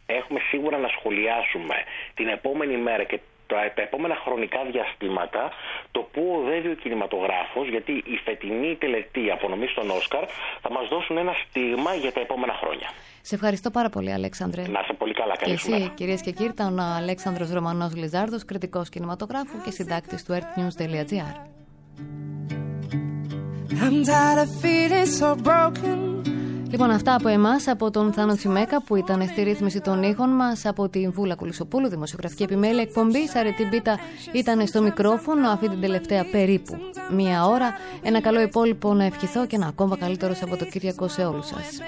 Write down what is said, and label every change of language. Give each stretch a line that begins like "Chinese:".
Greek: Έχουμε σίγουρα να σχολιάσουμε την επόμενη μέρα και τα επόμενα χρονικά διαστήματα το που οδεύει ο κινηματογράφος, γιατί η φετινή τελετή απονομής των Όσκαρ θα μας δώσουν ένα στίγμα για τα επόμενα χρόνια. Σε ευχαριστώ πάρα πολύ, Αλέξανδρε. Να είσαι πολύ καλά. Και εσύ, κυρίες και κύριοι, ήταν ο Αλέξανδρος Ρωμανός Λιζάρδος, κριτικός κινηματογράφου και συντάκτης του earthnews.gr.
English: I'm tired of feeling so broken.
Greek: Λοιπόν, αυτά από εμάς, από τον Θάνο Τσιμέκα που ήταν στη ρύθμιση των ήχων μας, από την Βούλα Κουλισοπούλου, δημοσιογραφική επιμέλεια εκπομπής, Αρετή Μπίτα ήταν στο μικρόφωνο αυτή την τελευταία περίπου μία ώρα. Ένα καλό υπόλοιπο να ευχηθώ και ένα ακόμα καλύτερο Σαββατοκύριακο σε όλους σας.